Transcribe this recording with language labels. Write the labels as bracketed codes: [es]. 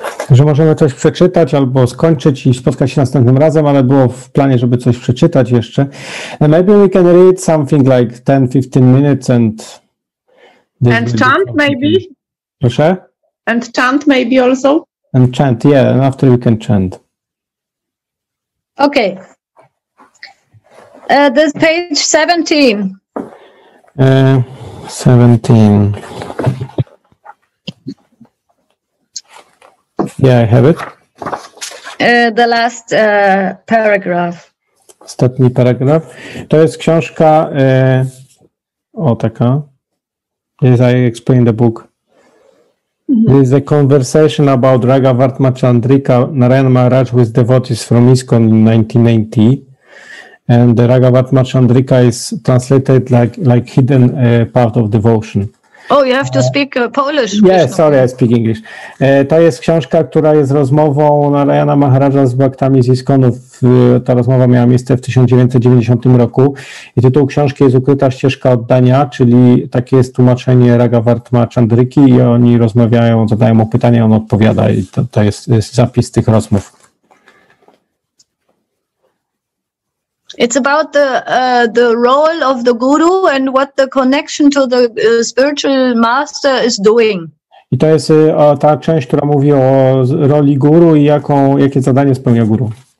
[pl] Że możemy coś przeczytać albo skończyć i spotkać się następnym razem, ale było w planie, żeby coś przeczytać jeszcze. [en] And maybe we can read something like 10-15 minutes and chant maybe. [pl] Proszę? [en] And chant maybe also. And chant, yeah, and after we can chant. Okay. This page 17. 17. Yeah, I have it. The last paragraph. [pl] Ostatni paragraf. To jest książka, taka. [en] As I explained the book. This is a conversation about Raghavartma Chandrika Narayan Maharaj with devotees from ISKCON in 1990. And the Raghavartma Chandrika is translated like hidden part of devotion. Oh, you have to speak Polish. Yes, sorry, I speak English. [pl] To jest książka, która jest rozmową Narayana Maharaja z bhaktami z ISKCON-ów. Ta rozmowa miała miejsce w 1990 roku. I tytuł książki jest Ukryta ścieżka oddania, czyli takie jest tłumaczenie Raghavartma Chandriki i oni rozmawiają, zadają mu pytania, on odpowiada i to jest zapis tych rozmów. [en] It's about the role of the guru and what the connection to the spiritual master is doing. [pl] I to jest ta część, która mówi o roli guru i jakie zadanie spełnia guru.